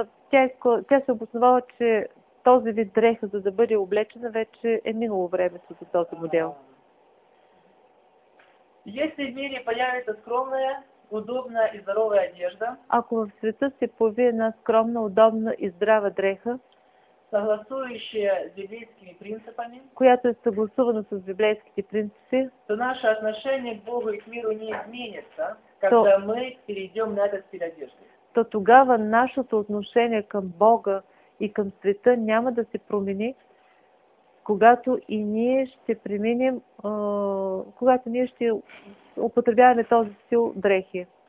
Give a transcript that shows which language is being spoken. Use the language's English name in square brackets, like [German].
[Bulgarian] Тя се обосновала, че този вид дреха, за да бъде облечена, вече е минало времето за този модел. [Russian] Если в мире появится скромная, удобная и здоровая одежда, [Bulgarian] ако в света се появи една скромна, удобна и здрава дреха, [Russian] согласующая с библейскими принципами, [Bulgarian] която е съгласувана с библейските принципи, [Russian] то наше отношение к Богу и к миру не изменится, когда мы перейдем на этот стиль одежды. [Bulgarian] То тогава нашето отношение към Бога и към света няма да се промени, когато ние ще употребяваме този стил дрехи.